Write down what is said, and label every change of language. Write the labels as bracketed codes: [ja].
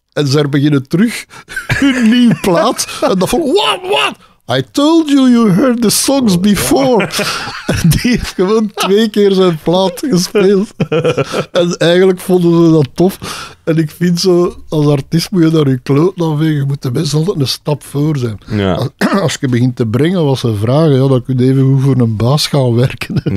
[nl] En ze beginnen terug hun nieuw plaat. En dan van, what? [en] I told you you heard the songs before. [nl] En die heeft gewoon twee keer zijn plaat gespeeld. En eigenlijk vonden ze dat tof. En ik vind zo, als artiest moet je daar je kloot aan vegen. Je moet de mensen altijd een stap voor zijn. Ja. Als je begint te brengen wat ze vragen, ja, dan kun je even goed voor een baas gaan werken.